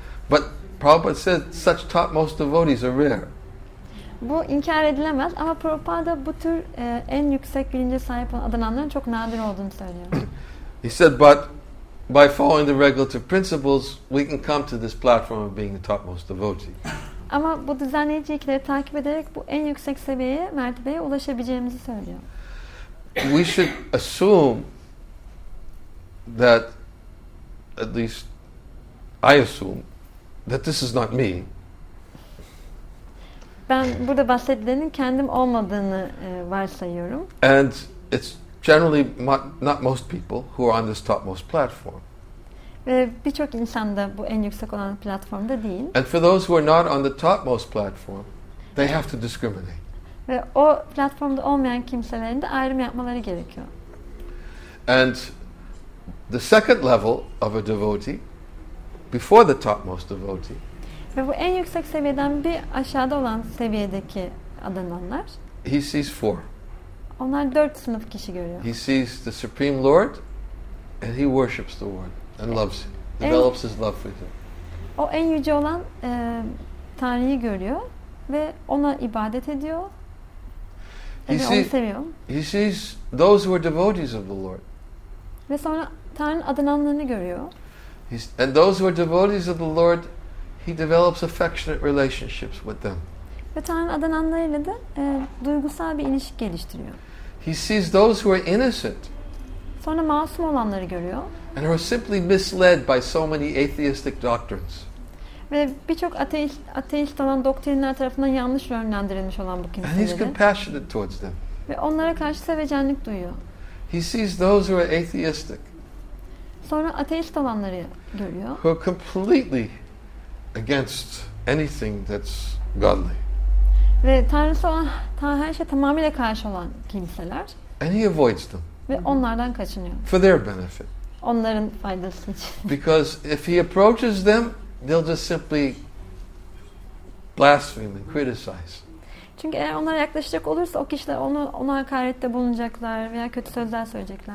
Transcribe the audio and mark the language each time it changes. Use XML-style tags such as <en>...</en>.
<en>But Prabhupada said such topmost devotees are rare.</en> <tr>Bu inkar edilemez ama Prabhupada bu tür en yüksek bilince sahip olan adananların çok nadir olduğunu söylüyor.</tr> <en>He said, but by following the regulative principles, we can come to this platform of being the topmost devotee.</en> <tr>Ama bu düzenleyici ilkeleri takip ederek bu en yüksek mertebeye ulaşabileceğimizi söylüyor.</tr> <en>We should assume that, at least I assume, that this is not me.</en> <tr>Ben burada bahsedilenin kendim olmadığını varsayıyorum.</tr> <en>And it's generally not most people who are on this topmost platform.</en> <tr>Ve birçok insan da bu en yüksek olan platformda değil.</tr> <en>And for those who are not on the topmost platform, they have to discriminate.</en> <tr>Ve o platformda olmayan kimselerin de ayrım yapmaları gerekiyor.</tr> <en>And the second level of a devotee, before the topmost devotee,</en> <tr>ve bu en yüksek seviyeden bir aşağıda olan seviyedeki adananlar.</tr> <en>He sees four.</en> <tr>Onlar dört sınıf kişi görüyor.</tr> <en>He sees the Supreme Lord and he worships the Lord and loves him. Develops his love for him.</en> <tr>O en yüce olan Tanrı'yı görüyor ve ona ibadet ediyor. Onu seviyor.</tr> <en>He sees those who are devotees of the Lord.</en> <tr>Ve sonra Tanrı'nın adananlarını görüyor.</tr> <en>And those who are devotees of the Lord, he develops affectionate relationships with them.</en> <tr>Ve Tanrı adananlarıyla da duygusal bir ilişki geliştiriyor.</tr> <en>He sees those who are innocent.</en> <tr>Sonra masum olanları görüyor.</tr> <en>And are simply misled by so many atheistic doctrines.</en> <tr>Ve birçok ateist olan doktrinler tarafından yanlış yönlendirilmiş olan bu kimseleri.</tr> <en>And he's compassionate towards them.</en> <tr>Ve onlara karşı sevecenlik duyuyor.</tr> <en>He sees those who are atheistic.</en> <tr>Sonra ateist olanları görüyor.</tr> <en>Who are completely against anything that's godly.</en> <tr>Ve Tanrı'ya her şey tamamıyla karşı olan kimseler.</tr> <en>And he avoids them.</en> <tr>Ve onlardan kaçınıyor.</tr> <en>For their benefit.</en> <tr>Onların faydası için.</tr> <en>Because if he approaches them, they'll just simply blaspheme and criticize.</en> <tr>Çünkü eğer onlara yaklaşacak olursa o kişiler ona hakarette bulunacaklar veya kötü sözler söyleyecekler.</tr>